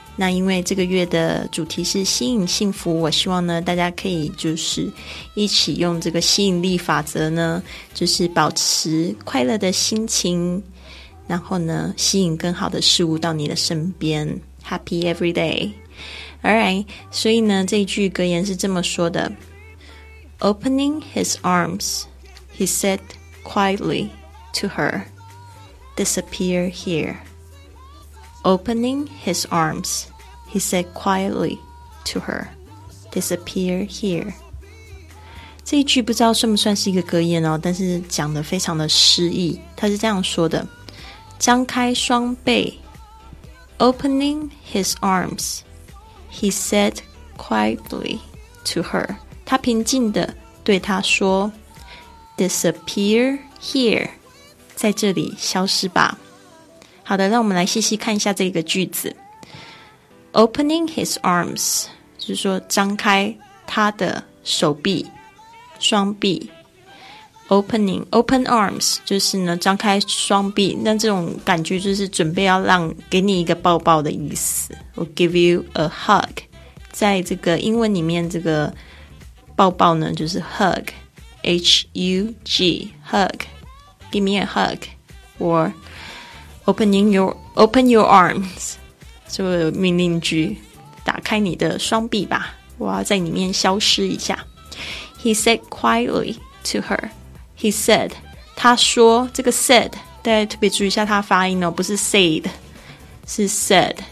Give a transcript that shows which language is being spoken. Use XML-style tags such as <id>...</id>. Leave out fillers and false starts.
<zh>那因为这个月的主题是吸引幸福，我希望呢大家可以就是一起用这个吸引力法则呢，就是保持快乐的心情，然后呢吸引更好的事物到你的身边。</zh> <en>Happy every day. Alright,</en> <zh>所以呢这一句格言是这么说的，</zh> <en>Opening his arms, he said quietlyTo her, disappear here. Opening his arms, he said quietly to her, disappear here.</en> <zh>这一句不知道算不算是一个格言哦，但是讲得非常的诗意。他是这样说的，张开双臂，</zh> <en>Opening his arms, he said quietly to her.</en> <zh>他平静地对她说，</zh> <en>disappear here.</en> <zh>在这里消失吧。好的，让我们来细细看一下这个句子。</zh> <en>Opening his arms</en> <zh>就是说张开他的手臂双臂，</zh> <en>Opening open arms</en> <zh>就是呢张开双臂，那这种感觉就是准备要让给你一个抱抱的意思，</zh> <en>We'll give you a hug.</en> <zh>在这个英文里面这个抱抱呢就是 hug, H-U-G,</zh> <en>hugGive me a hug, or open your arms.</en> <zh>这个命令句，打开你的双臂吧，我要在里面消失一下。</zh> <en>He said quietly to her. He said,</en> <zh>他说，这个 said, 大家特别注意一下他发音哦，不是 said, 是 said.</zh>